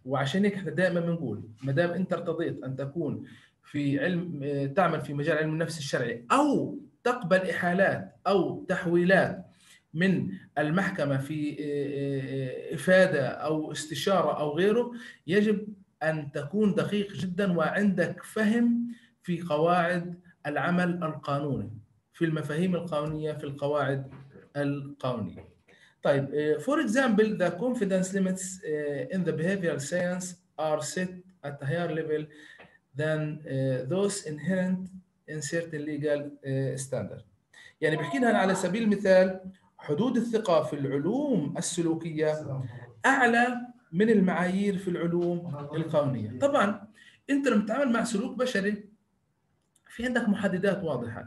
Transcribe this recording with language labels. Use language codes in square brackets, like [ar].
[ar] وعشان هيك إحنا دائما بنقول ما دام أنت ارتضيت أن تكون في علم تعمل في مجال علم النفس الشرعي أو تقبل إحالات أو تحويلات من المحكمة في إفادة أو استشارة أو غيره، يجب أن تكون دقيق جدا وعندك فهم في قواعد العمل القانوني، في المفاهيم القانونية، في القواعد القانونية. طيب، [en] for example, the confidence limits in the behavioral science are set at a higher level than those inherent in certain legal standards. [ar] يعني بحكي لنا على سبيل المثال، حدود الثقة في العلوم السلوكية أعلى من المعايير في العلوم القانونية. طبعا أنت لما بتتعامل مع سلوك بشري في عندك محددات واضحة.